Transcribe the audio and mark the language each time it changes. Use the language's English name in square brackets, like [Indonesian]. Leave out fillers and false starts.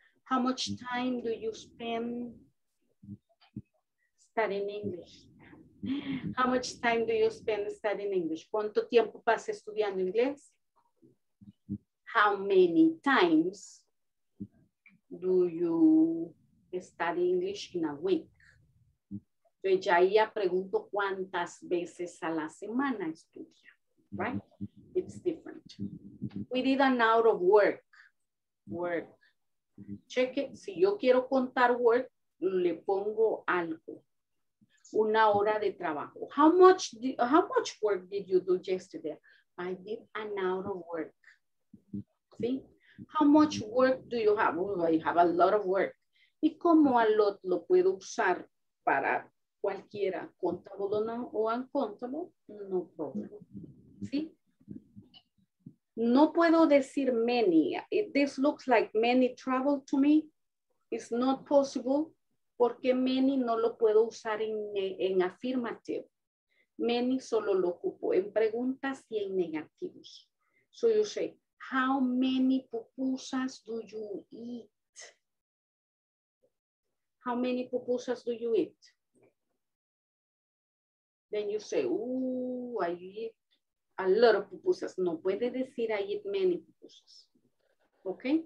[English] How much time do you spend studying English? How much time do you spend studying English? [Spanish] ¿Cuánto tiempo pasa estudiando inglés? [English] How many times do you study English in a week? [Spanish] Yo ya ahí pregunto cuántas veces a la semana estudia, [English] right? It's different. We did an hour of work. Work. Check it. [Spanish] Si yo quiero contar work, le pongo algo. Una hora de trabajo. [English] How much work did you do yesterday? I did an hour of work. [Spanish] ¿Sí? [English] How much work do you have? Oh, I have a lot of work. [Spanish] ¿Y cómo a lot lo puedo usar para cualquiera? ¿Contable o no? ¿O uncountable? [English] No problem. [Spanish] ¿Sí? No puedo decir many. [English] This looks like many trouble to me. It's not possible. [Spanish] Porque many no lo puedo usar en affirmative. many solo lo ocupo en preguntas y en negativos. [English] So you say, how many pupusas do you eat? How many pupusas do you eat? Then you say, oh, I eat a lot of pupusas. [Spanish] No puede decir [English] I eat many pupusas. ¿Ok?